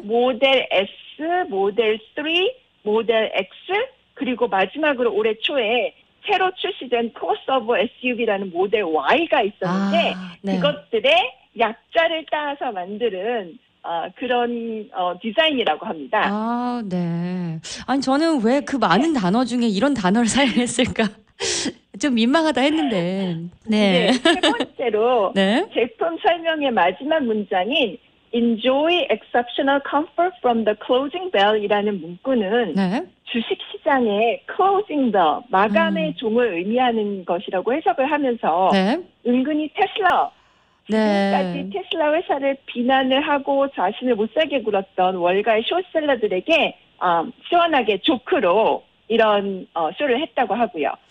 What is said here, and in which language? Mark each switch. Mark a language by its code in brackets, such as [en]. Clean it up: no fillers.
[ko] 모델 S, 모델 3 모델 X 그리고 마지막으로 올해 초에 새로 출시된 크로스오버 SUV라는 모델 Y가 있었는데 네. 그것들의 약자를 따서 만드는 그런 디자인이라고 합니다. 아, 네. 아니 저는 왜 그 많은 네. 단어 중에 이런 단어를 사용했을까? 좀 민망하다 했는데. 네. 네. 세 번째로 네. 제품 설명의 마지막 문장인 [en] Enjoy exceptional comfort from the closing bell [ko] 이라는 문구는 네. 주식시장의 closing bell, 마감의 종을 의미하는 것이라고 해석을 하면서 네. 은근히 테슬라, 지금까지 네. 테슬라 회사를 비난을 하고 자신을 못살게 굴었던 월가의 쇼셀러들에게 시원하게 조크로 이런 쇼를 했다고 하고요.